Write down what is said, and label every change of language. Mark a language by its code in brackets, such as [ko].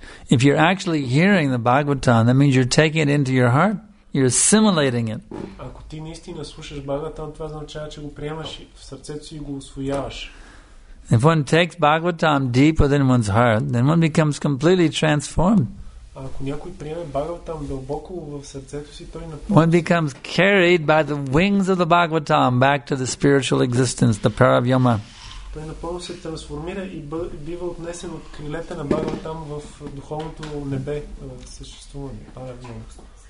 [en] If you're actually hearing the Bhagavatam, that means you're taking it into your heart. You're assimilating it. [bg] Ако ти наистина слушаш Бхагаватам, това означава, че го приемаш в сърцето си и го усвояваш. [en] If one takes Bhagavatam deep within one's heart, then one becomes completely transformed. [bg] Ако някой приеме Бхагаватам дълбоко в сърцето си, той напълно. [en] One becomes carried by the wings of the Bhagavatam back to the spiritual existence, the Paravyama. [bg] Той напълно се трансформира и бива отнесен от крилете на Бхагаватам в духовното небе, в съществуване, Paravyama.